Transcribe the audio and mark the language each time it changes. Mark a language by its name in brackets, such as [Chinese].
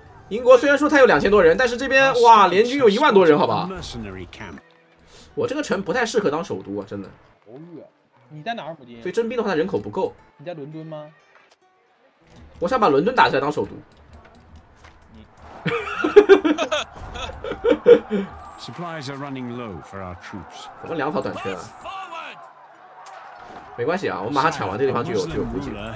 [Chinese] 英国虽然说他有2000多人，但是这边哇，联军有1万多人，好吧。我这个城不太适合当首都啊，真的。你在哪儿，母亲？所以征兵的话，他人口不够。你在伦敦吗？我想把伦敦打下来当首都。你。 [English] Supplies are running low for our troops。 [Chinese] 怎么粮草短缺啊？没关系啊，我马上抢完这地方就有补给。